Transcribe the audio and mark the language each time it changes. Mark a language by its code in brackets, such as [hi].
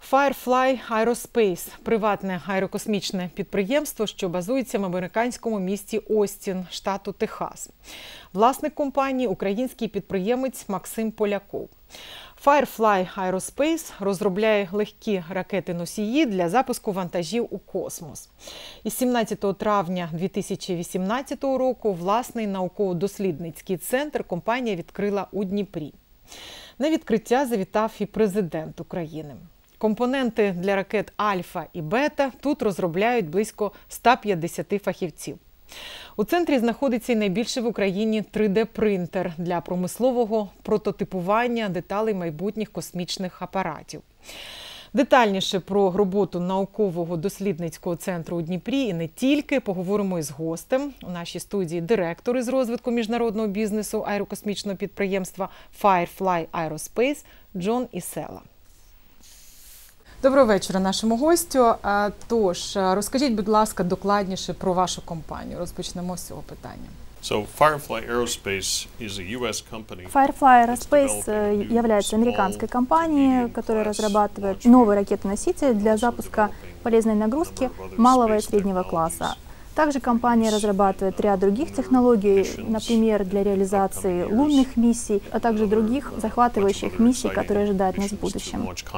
[uk] Firefly Aerospace – приватне аерокосмічне підприємство, що базується в американському місті Остін, штату Техас. Власник компанії – український підприємець Максим Поляков. Firefly Aerospace розробляє легкі ракети-носії для запуску вантажів у космос. Із 17 травня 2018 року власний науково-дослідницький центр компанія відкрила у Дніпрі. На відкриття завітав і президент України. Компоненти для ракет «Альфа» і «Бета» тут розробляють близько 150 фахівців. У центрі знаходиться й найбільший в Україні 3D-принтер для промислового прототипування деталей майбутніх космічних апаратів. Детальніше про роботу наукового дослідницького центру у Дніпрі і не тільки поговоримо із гостем. У нашій студії директор із розвитку міжнародного бізнесу аерокосмічного підприємства Firefly Aerospace Джон Ісела. Доброго вечора нашому гостю. Тож, розкажіть, будь ласка, докладніше про вашу компанію. Розпочнемо з цього питання. [en] So Firefly Aerospace is a US company. [ru] Firefly Aerospace является американской компанией, которая разрабатывает новые ракеты-носители для запуска полезной нагрузки малого и среднего класса. Также компания разрабатывает ряд других технологий, например, для реализации лунных миссий, а также других захватывающих миссий, которые ожидают нас в будущем.